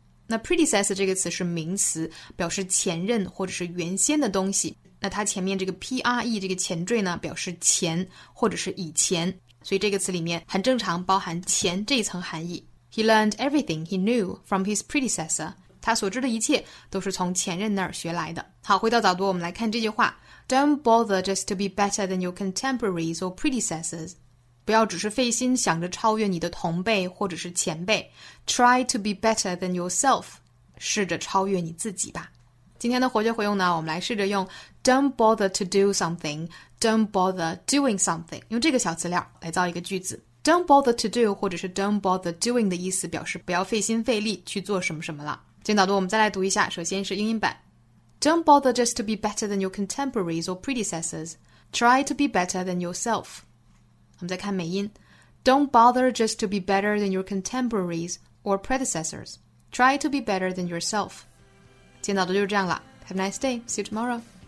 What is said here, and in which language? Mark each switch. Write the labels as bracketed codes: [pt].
[zh] 那 predecessor 这个词是名词表示前任或者是原先的东西，那它前面这个 pre 这个前缀呢表示前或者是以前，所以这个词里面很正常包含前这一层含义。 [en] He learned everything he knew from his predecessor. [zh] 他所知的一切都是从前任那儿学来的。好，回到早读，我们来看这句话。 [en] Don't bother just to be better than your contemporaries or predecessors. [zh] 不要只是费心想着超越你的同辈或者是前辈。 [en] Try to be better than yourself. [zh] 试着超越你自己吧。今天的活学活用呢，我们来试着用 [en] Don't bother to do something. Don't bother doing something. [zh] 用这个小词料来造一个句子。 [en] Don't bother to do [zh] 或者是 [en] don't bother doing [zh] 的意思表示不要费心费力去做什么什么了。今早读我们再来读一下，首先是英音版。 [en] Don't bother just to be better than your contemporaries or predecessors. Try to be better than yourself. [zh] 我们再看美音。 [en] Don't bother just to be better than your contemporaries or predecessors. Try to be better than yourself. [zh] 今早读就是这样了。 [en] Have a nice day. See you tomorrow.